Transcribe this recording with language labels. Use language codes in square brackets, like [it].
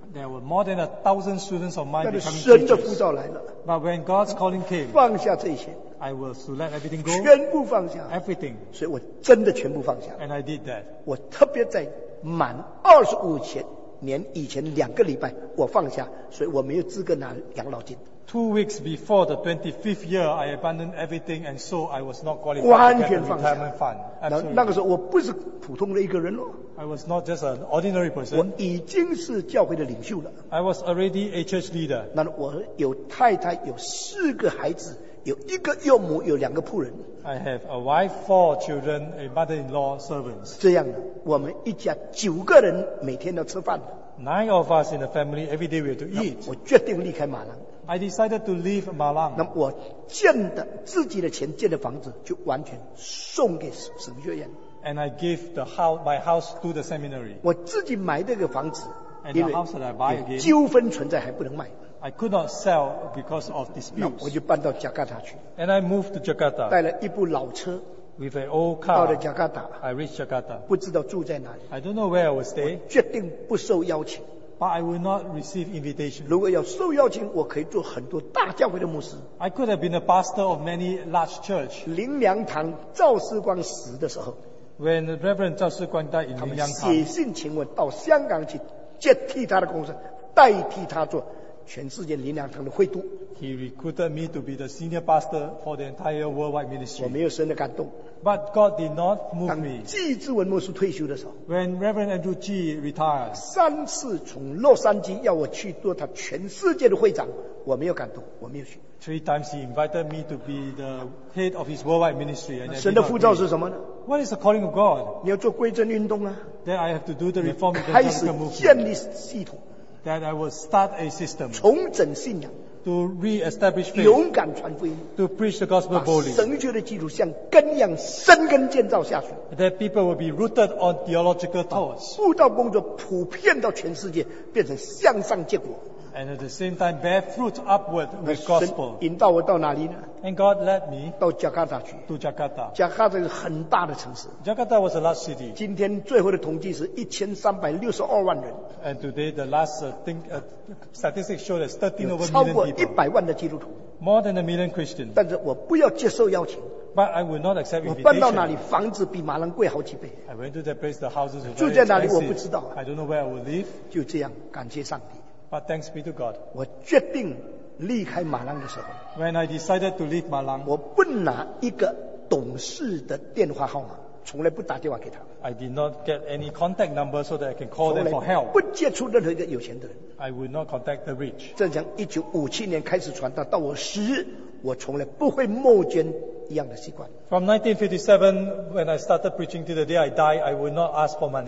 [en] There were more than 1,000 students of mine becoming teachers. [zh] 神的呼召来了。 [en] But when God's calling came, [zh] 放下这些。 [en] I was to let everything go. [zh] 全部放下。 [en] Everything. [zh] 所以我真的全部放下。 [en] And I did that. [zh] 我特别在满25年以前2个礼拜，我放下，所以我没有资格拿养老金。 [en] 2 weeks before the 25th year, I abandoned everything, and so I was not qualified for the retirement fund. [zh] 那个时候我不是普通的一个人咯。 [en] I was not just an ordinary person. [zh] 我已经是教会的领袖了。 [en] I was already a church leader. [zh] 那我有太太，有4个孩子，有1个幼母，有2个仆人。 [en] I have a wife, 4 children, a mother-in-law, servants. [zh] 这样的，我们一家9个人每天要吃饭的。 [en] 9 of us in the family every day we have to eat. [zh] 我决定离开马兰。 [en] I decided to leave Malang. [zh] 那我建的自己的钱建的房子就完全送给神学院。 [en] And I gave the house, my house to the seminary. [zh] 我自己买这个房子， [en] and the house that I buy again, [zh] 纠纷存在还不能卖。 [en] I could not sell because of disputes. [zh] 那我就搬到加加达去。 [en] And I moved to Jakarta. [zh] 带了一部老车。 [en] With an old car, [zh] 到了加加达。 [en] I reached Jakarta. [zh] 不知道住在哪里。 [en] I don't know where I will stay. [zh] 我决定不受邀请。 [en] But I will not receive invitation. [zh] 如果要受邀请，我可以做很多大教会的牧师。 [en] I could have been a pastor of many large church. [zh] 林良堂赵世光死的时候 [en] ，When the Reverend 赵世光 died in 林良堂， [zh] 他们写信请我到香港去接替他的工作，代替他做全世界林良堂的会督。 [en] He recruited me to be the senior pastor for the entire worldwide ministry. [zh] 我没有神的感动。 [en] But God did not move me. [zh] 当纪志文牧师退休的时候 [en] ，When Reverend Andrew G retired， [zh] 三次从洛杉矶要我去做他全世界的会长，我没有感动，我没有去。 [en] Three times he invited me to be the head of his worldwide ministry. [zh] 神的呼召是什么呢 [en] ？What is the calling of God？ [zh] 你要做归正运动啊。 [en] Then I have to do the reform. [zh] 开始建立系统。 [en] That I will start a system. [zh] 重整信仰。 [en] To re-establish faith, [zh] 勇敢传福音 [en] to preach the gospel boldly, [zh] 把神学的基础像根一样深根建造下去 [en] that people will be rooted on theological thoughts, [zh] 布道工作普遍到全世界变成向上结果 [en] and at the same time bear fruit upward with gospel, [zh] 引导我到哪里呢 [en] and God led me [zh] 到 Jakarta 去 [en] to Jakarta, [zh] Jakarta 是很大的城市 [en] Jakarta was a large city, [zh] 今天最后的统计是1362万人 [en] and today the last thing,Statistics show that 13 over [zh] 超过100万的基督徒 [en] more than a million Christians [zh] 但是我不要接受邀请 [en] but I will not accept invitation [zh] 我搬到哪里房子比马兰贵好几倍 [en] I went to that place the houses were very expensive [zh] 住在哪里我不知道 [en] I don't know where I will live [zh] 就这样感谢上帝 [en] but thanks be to God [zh] 我决定离开马兰的时候 [en] when I decided to leave 马兰 [zh] 我不拿一个董事的电话号码从来不打电话给他 [en] I did not get any contact number so that I can call them for help [zh] 不接触任何一个有钱的人 [en] I would not contact the rich [zh] 正像1957年开始传道到我死我从来不会募捐一样的习惯 [en] From 1957 when I started preaching to the day I die I would not ask for money